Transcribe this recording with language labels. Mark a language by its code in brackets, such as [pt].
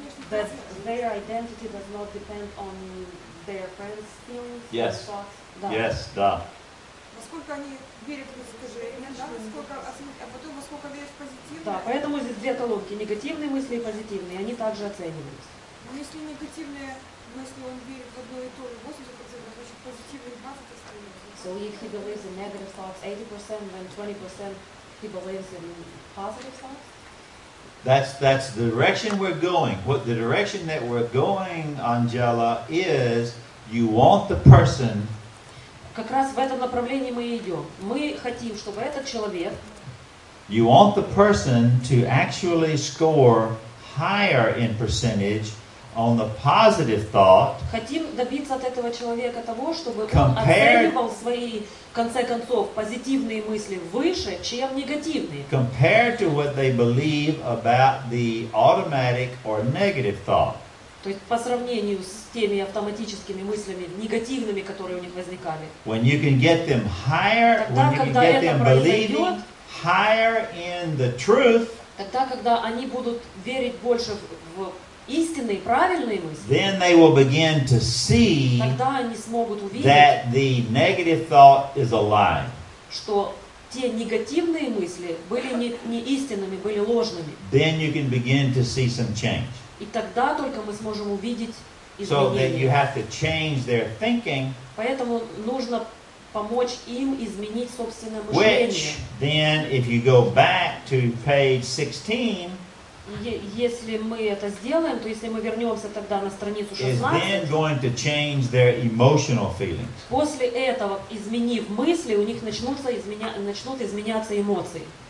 [en] Their identity does not depend on their friends' feelings. Yes. Yes, [ru] да. Насколько они верят в искажение, да? Насколько, а потом насколько верят в позитивные. Да, поэтому здесь две колонки: негативные мысли и позитивные. Они также оцениваются. Но если негативные мысли он верит в одно и то же 80%, значит позитивные 20%. [en] So if he believes in negative thoughts 80%, then 20% he believes in positive thoughts. That's the direction we're going. What the direction that we're going, Анжела, is you want the person. [ru] Как раз в этом направлении мы идем. Мы хотим, чтобы этот человек. [en] You want the person to actually score higher in percentage on the positive thought. [ru] Хотим добиться от этого человека того, чтобы он оценивал свои, в конце концов, позитивные мысли выше, чем негативные. [en] Compared to what they believe about the automatic or negative thought. [ru] То есть по сравнению с теми автоматическими мыслями негативными, которые у них возникали. [en] When you can get them higher, when you can get them believing higher in the truth. [ru] Тогда, когда они будут верить больше в истинные, правильные мысли. [en] Then they will begin to see that the negative thought is a lie. [ru] Что те негативные мысли были не истинными, были ложными. [en] Then you can begin to see some change. [ru] И тогда только мы сможем увидеть изменения. [en] So that you have to change their thinking. [ru] Поэтому нужно помочь им изменить собственное мышление. [en] Which, then, if you go back to page 16, [ru] Если мы это сделаем, то если мы вернемся тогда на страницу 16, после этого, изменив мысли, у них начнут изменяться эмоции.